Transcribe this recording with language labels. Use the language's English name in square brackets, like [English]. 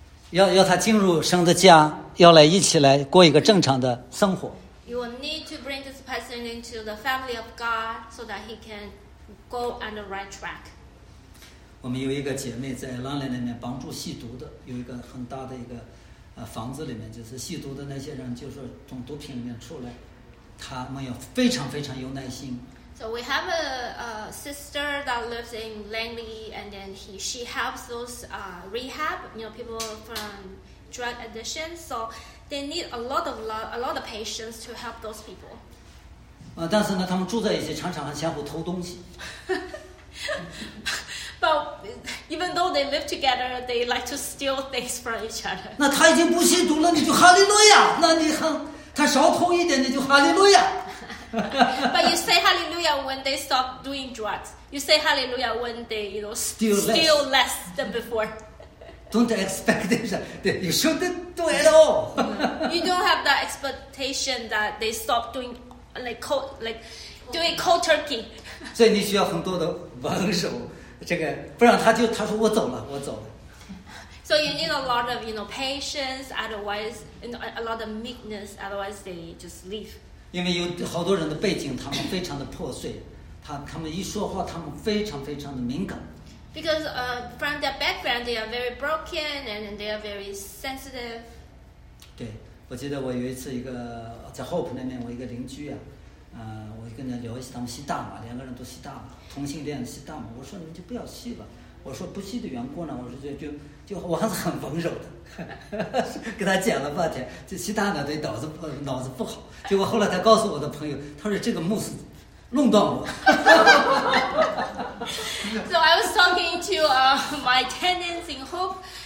[Chinese] 要他进入神的家，要来一起来过一个正常的生活。 [English] You will need to bring this person into the family of God so that he can go on the right track. [Chinese] 我们有一个姐妹在兰陵里面帮助吸毒的，有一个很大的一个。房子里面就是吸毒的那些人，就是从毒品里面出来，他们要非常非常有耐心。 [English] So we have a sister that lives in Langley, and then she helps those rehab, you know, people from drug addiction. So they need a lot of patience to help those people. [Chinese] 但是呢，他们住在一起，常常还相互偷东西。 [English] But even though they live together, they like to steal things from each other. [Chinese] 那他已经不吸毒了，你就哈利路亚。那你哼，他少偷一点，你就哈利路亚。 [English] But you say hallelujah when they stop doing drugs. You say hallelujah when they, you know, steal less than before. Don't expect that. You shouldn't do it at all. You don't have that expectation that they stop doing like cold turkey. [Chinese] 所以你需要很多的温柔，这个不然他就他说我走了，我走了。 [English] So you need a lot of, you know, patience. Otherwise, you know, a lot of meekness. Otherwise, they just leave. [Chinese] 因为有好多人的背景，他们非常的破碎，他们一说话，他们非常非常的敏感。 [English] Because from their background, they are very broken and they are very sensitive. [Chinese] 对，我记得我有一次一个在 Hope 那边，我一个邻居啊。我跟人家聊一下，他们吸大麻，两个人都吸大麻，同性恋吸大麻。我说你们就不要吸吧。我说不吸的缘故呢，我说就我还是很温柔的，给他讲了半天，就吸大麻对脑子不好。结果后来他告诉我的朋友，他说这个牧师弄断我。 [English] So I was talking to my tenants in Hope.